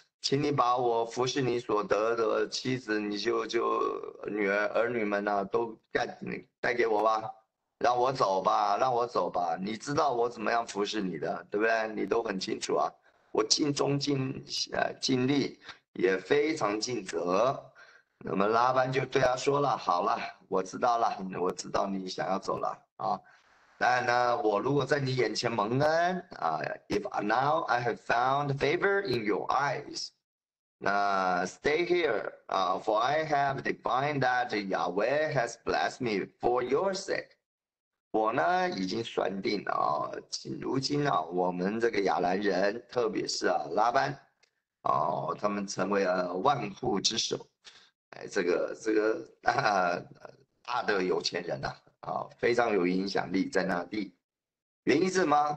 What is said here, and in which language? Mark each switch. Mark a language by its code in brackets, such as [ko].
[zh] 请你把我服侍你所得的妻子、你舅舅、女儿、儿女们呢、啊，都带给我吧，让我走吧，让我走吧。你知道我怎么样服侍你的，对不对？你都很清楚啊。我尽忠尽力，也非常尽责。那么拉班就对他说了：“好了，我知道了，我知道你想要走了啊。但呢，我如果在你眼前蒙恩啊 [en] ，if now I have found favor in your eyes， 那 stay here 啊 ，for I have divined that Yahweh has blessed me for your sake。 [zh] 我呢已经算定了啊，如今呢、啊，我们这个亚兰人，特别是啊拉班，哦、啊，他们成为了万户之首。” 哎，这个大的有钱人呐、啊，啊，非常有影响力在那地。原因是什么？